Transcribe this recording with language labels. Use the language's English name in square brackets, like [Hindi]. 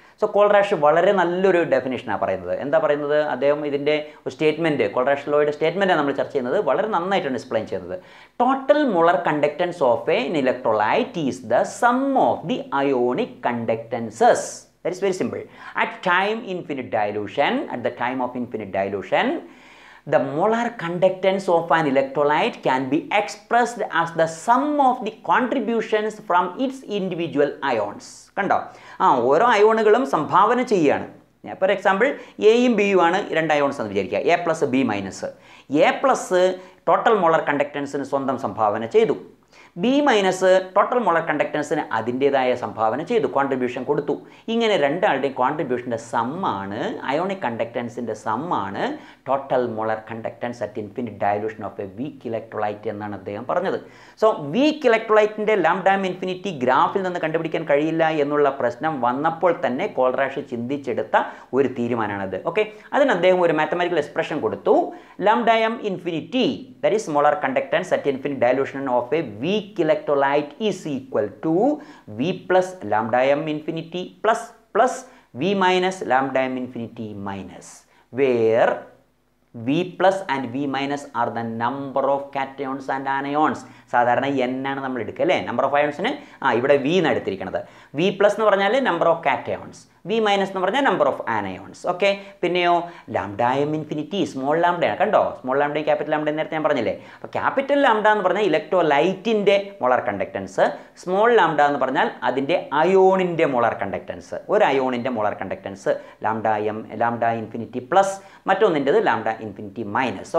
[Malayalam] So കോൾറാഷ് വളരെ നല്ലൊരു ഡെഫിനേഷനാണ് പറയുന്നത്. എന്താ പറയുന്നത്? അദ്ദേഹം ഇതിൻ്റെ ഒരു സ്റ്റേറ്റ്മെൻറ്റ്, കോൾറാഷ് ലോയുടെ സ്റ്റേറ്റ്മെൻറ്റാണ് നമ്മൾ ചർച്ച ചെയ്യുന്നത്. വളരെ നന്നായിട്ടാണ് എക്സ്പ്ലെയിൻ ചെയ്യുന്നത്. [English] Total molar conductance of an electrolyte is the sum of the ionic conductances. That is very simple. At time infinite dilution, at the time of infinite dilution, the molar conductance of an electrolyte can be expressed as the sum of the contributions from its individual ions. [Malayalam] കണ്ടോ? ആ ഓരോ അയോണുകളും സംഭാവന ചെയ്യുകയാണ്. For example എയും ബിയും ആണ് രണ്ട് ions എന്ന് വിചാരിക്കുക. A plus B minus. A plus total molar കണ്ടക്ടൻസിന് സ്വന്തം സംഭാവന ചെയ്തു. ബി മൈനസ് ടോട്ടൽ മോളർ കണ്ടക്ടൻസിന് അതിൻ്റേതായ സംഭാവന ചെയ്തു, കോൺട്രിബ്യൂഷൻ കൊടുത്തു. ഇങ്ങനെ രണ്ടാളുടെയും കോൺട്രിബ്യൂഷൻ്റെ സമ്മാണ്, ionic കണ്ടക്ടൻസിൻ്റെ സമ്മാണ് [English] total molar conductance at infinite dilution of a weak electrolyte [Malayalam] എന്നാണ് അദ്ദേഹം പറഞ്ഞത്. So week ഇലക്ട്രോലൈറ്റിൻ്റെ lambda M infinity ഗ്രാഫിൽ നിന്ന് കണ്ടുപിടിക്കാൻ കഴിയില്ല എന്നുള്ള പ്രശ്നം വന്നപ്പോൾ തന്നെ കോൾറാഷ് ചിന്തിച്ചെടുത്ത ഒരു തീരുമാനമാണത്. ഓക്കെ, അതിന് അദ്ദേഹം ഒരു മാത്തമാറ്റിക്കൽ എക്സ്പ്രഷൻ കൊടുത്തു. [English] Lambda m infinity, that is molar conductance at infinite dilution of a weak electrolyte is equal to V plus lambda m infinity plus plus V minus lambda m infinity minus, where V plus and V minus are the number of cations and anions. [Malayalam] സാധാരണ N ആണ് നമ്മൾ എടുക്കുക അല്ലേ number of അയോൺസിന്. ആ ഇവിടെ V എന്ന് എടുത്തിരിക്കുന്നത്. V plus എന്ന് പറഞ്ഞാൽ number of cations, V minus എന്ന് പറഞ്ഞാൽ നമ്പർ ഓഫ് ആനയോൺസ്. ഓക്കെ, പിന്നെയോ ലാംഡ എം ഇൻഫിനിറ്റി സ്മോൾ ലാംഡയാണ്. കണ്ടോ, സ്മോൾ ലാംഡയും ക്യാപിറ്റൽ ലാംഡയും നേരത്തെ ഞാൻ പറഞ്ഞില്ലേ. അപ്പോൾ ക്യാപിറ്റൽ ലാംഡ എന്ന് പറഞ്ഞാൽ ഇലക്ട്രോലൈറ്റിൻ്റെ മോളർ കണ്ടക്ടൻസ്, സ്മോൾ ലാംഡ എന്ന് പറഞ്ഞാൽ അതിൻ്റെ അയോണിൻ്റെ മോളർ കണ്ടക്ടൻസ്, ഒരു അയോണിൻ്റെ molar conductance lambda M lambda infinity plus, മറ്റൊന്നിൻ്റെത് lambda infinity minus.